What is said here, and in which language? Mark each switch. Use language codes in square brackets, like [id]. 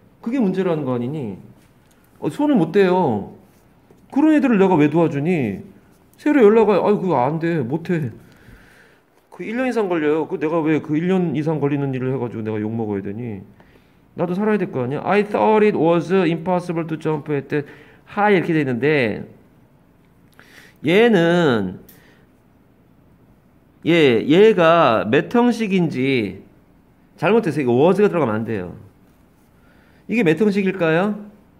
[ko] 그게 문제라는 거 아니니? 어, 손을 못 대요. 그런 애들을 내가 왜 도와주니? 새로 연락 와요. 아유, 그거 안 돼. 못 해. 그 1년 이상 걸려요. 그 내가 왜그 1년 이상 걸리는 일을 해가지고 내가 욕먹어야 되니? 나도 살아야 될거 아니야? [en] I thought it was impossible to jump at the high. [ko] 이렇게 돼 있는데, 얘는, 얘가 몇 형식인지, 잘못했어요. 이거 was가 들어가면 안 돼요. 이게 몇 형식일까요?